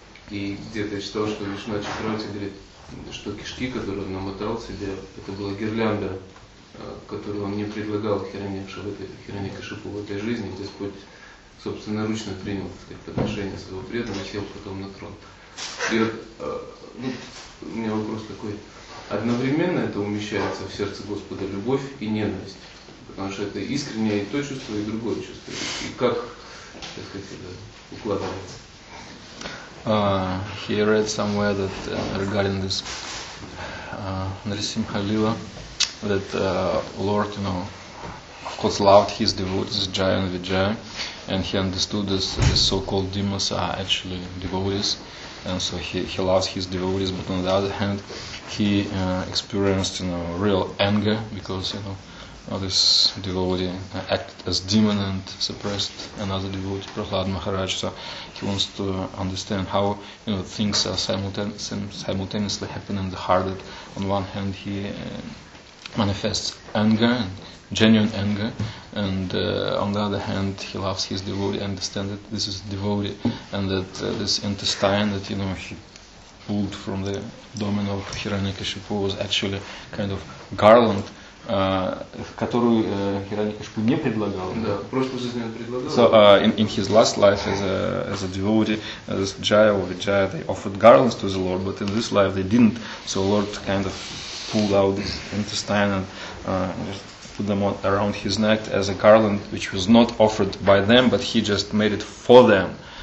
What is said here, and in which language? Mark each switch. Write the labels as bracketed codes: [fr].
[ru] И где-то я читал, что Вишна Чакравати говорит, что кишки, которые он намотал себе, это была гирлянда, которую он не предлагал Хираньякше в этой Хираньякашипу в этой жизни, Господь собственноручно принял, так сказать, подношение своего преданного, сел потом на трон. И вот, ну, у меня вопрос такой, одновременно это умещается в сердце Господа любовь и ненависть, потому что это искреннее и то чувство, и другое чувство. И как, так сказать, это укладывается? [en] He read somewhere that regarding this Нарисимха Лила, that Lord, you know, of course loved his devotees, Jaya and Vijaya, and he understood that the so-called demons are actually devotees, and so he loves his devotees, but on the other hand, he experienced, you know, real anger, because, you know, this devotee acted as demon and suppressed another devotee, Prahlad Maharaj. So he wants to understand how, you know, things are simultaneously happening in the heart, that on one hand he manifests anger, genuine anger, and on the other hand, he loves his devotee, understands that this is devotee, and that this intestine that, you know, he pulled from the domain of Hiranyakashipu was actually kind of garland [ru] которую Хираньякашипу не предлагал. Да, в прошлой жизни он предлагал. [en] So in his last life as a devotee, as Jaya or Vijaya, they offered garlands to the Lord, but in this life they didn't. So Lord kind of pulled out this intestine and just put them on, around his neck as a garland, which was not offered by them, but he just made it for them.